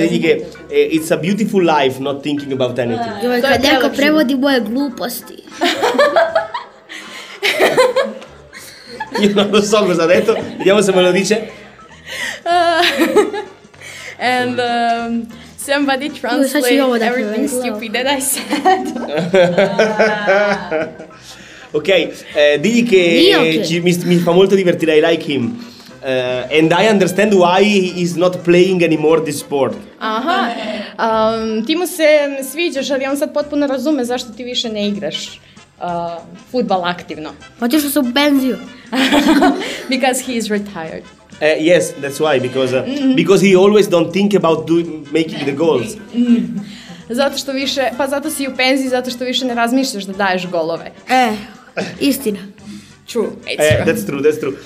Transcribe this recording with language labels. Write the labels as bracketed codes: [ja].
[it] digli che [en] it's a beautiful life not thinking about anything. [sr] Kad neko prevodi moje gluposti. [it] Io non lo so cosa ha detto. Vediamo se me lo dice. [en] And somebody translate everything stupid that I said. [it] Ok, digli che mi fa molto divertire. [en] I like him. And I understand why he is not playing anymore this sport. Aha. [sr] Ti mu se sviđaš, ali on sad potpuno razume zašto ti više ne igraš fudbal aktivno. Hoćeš da se penziju. [en] Because he is retired. Yes, that's why, because he always don't think about making the goals. [sr] Zato što više, pa zato si u penziji, zato što više ne razmišljaš da daješ golove. Istina. [en] True, it's true. That's true, that's true.